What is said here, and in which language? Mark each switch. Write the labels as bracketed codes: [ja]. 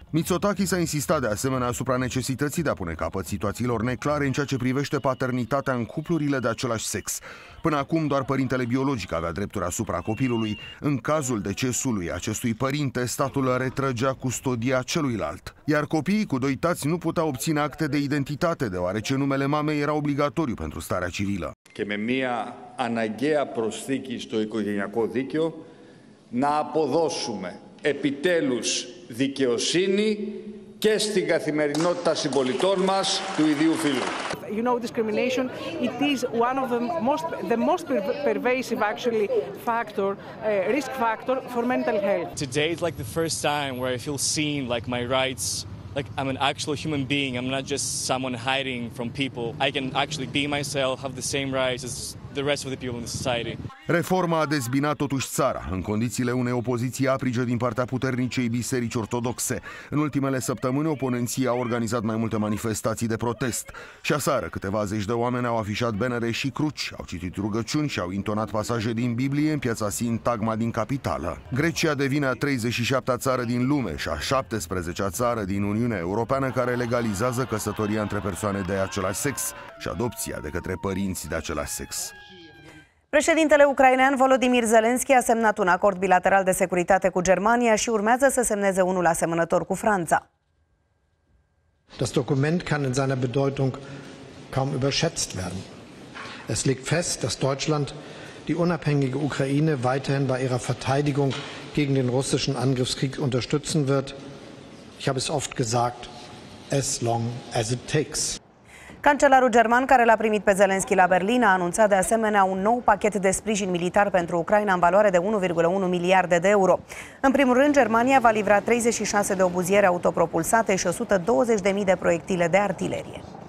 [ro] Mitsotakis a insistat de asemenea asupra necesității de a pune capăt situațiilor neclare în ceea ce privește paternitatea în cuplurile de același sex. Până acum, doar părintele biologic avea drepturi asupra copilului. În cazul decesului acestui părinte, statul retrăgea custodia celuilalt. Iar copiii cu doi tați nu puteau obține acte de identitate, deoarece numele mamei era obligatoriu pentru starea civilă. [el] Και με μια αναγκαία προσθήκη στο οικογενειακό δίκαιο να αποδώσουμε επιτέλους δικαιοσύνη και στην καθημερινότητα συμπολιτών μας του ιδίου φύλου. [en] You know, discrimination, it is one of the most pervasive actually factor, risk factor for mental health. Today is like the first time where I feel seen, like my rights Like I'm an actual human being. I'm not just someone hiding from people. I can actually be myself, have the same rights as the rest of the people in the society. [ro] Reforma a dezbinat totuși țara, în condițiile unei opoziții aprige din partea puternicei biserici ortodoxe. În ultimele săptămâni, oponenții au organizat mai multe manifestații de protest. Și aseară, câteva zeci de oameni au afișat banere și cruci, au citit rugăciuni și au intonat pasaje din Biblie în piața Sintagma din capitală. Grecia devine a 37-a țară din lume și a 17-a țară din Uniunea Europeană care legalizează căsătoria între persoane de același sex și adopția de către părinți de același sex. Președintele ucrainean Volodymyr Zelensky a semnat un acord bilateral de securitate cu Germania și urmează să semneze unul asemănător cu Franța. [de] Das Dokument kann in seiner Bedeutung kaum überschätzt werden. Es legt fest, dass Deutschland die unabhängige Ukraine weiterhin bei ihrer Verteidigung gegen den russischen Angriffskrieg unterstützen wird. Ich habe es oft gesagt, [en] as long as it takes. [ro] Cancelarul german, care l-a primit pe Zelensky la Berlin, a anunțat de asemenea un nou pachet de sprijin militar pentru Ucraina în valoare de 1,1 miliarde de euro. În primul rând, Germania va livra 36 de obuziere autopropulsate și 120.000 de proiectile de artilerie.